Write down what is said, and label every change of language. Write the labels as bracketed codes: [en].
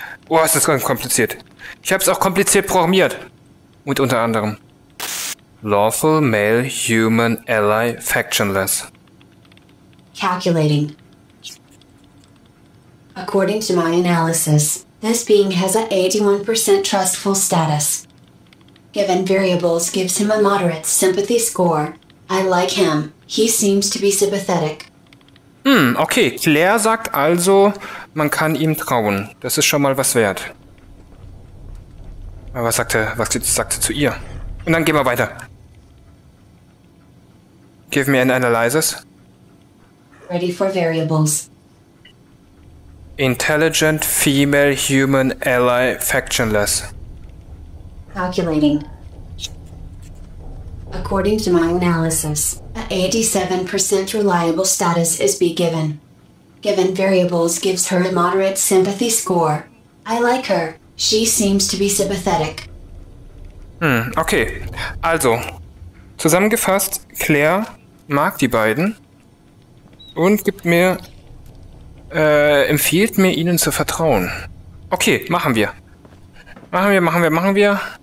[de] Oh, ist das ganz kompliziert. Ich hab's auch kompliziert programmiert. Und unter anderem. [en] Lawful, male, human, ally, factionless. Calculating. According to my analysis, this being has an 81% trustful status. Given variables gives him a moderate sympathy score. I like him. He seems to be sympathetic. Okay. [de] Claire sagt also, man kann ihm trauen. Das ist schon mal was wert. Aber was sagt er zu ihr? Und dann gehen wir weiter. [en] Give me an analysis. Ready for variables. Intelligent female human ally factionless. Calculating. According to my analysis, an 87% reliable status is be given. Given variables gives her a moderate sympathy score. I like her. She seems to be sympathetic. Okay. [de] Also, zusammengefasst, Claire mag die beiden und gibt mir empfiehlt mir, ihnen zu vertrauen. Okay, machen wir. Machen wir.